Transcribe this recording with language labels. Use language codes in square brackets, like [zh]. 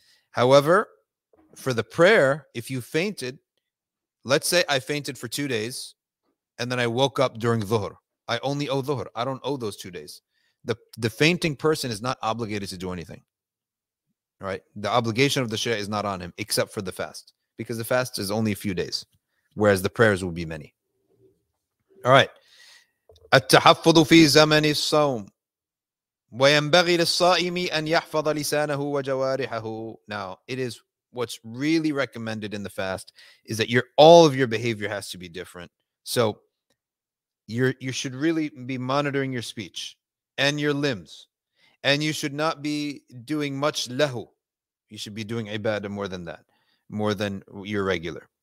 [en] However, for the prayer, if you fainted, let's say I fainted for 2 days and then I woke up during dhuhr. I only owe dhuhr. I don't owe those 2 days. The fainting person is not obligated to do anything. Right? The obligation of the shia is not on him except for the fast, because the fast is only a few days, whereas the prayers will be many. All right. [ar] التحفظ في زمن الصوم وينبغي للصائم أن يحفظ لسانه وجوارحه. [en] Now, it is what's really recommended in the fast is that all of your behavior has to be different. So you should really be monitoring your speech and your limbs. And you should not be doing much lahu. You should be doing ibadah more than that, more than your regular.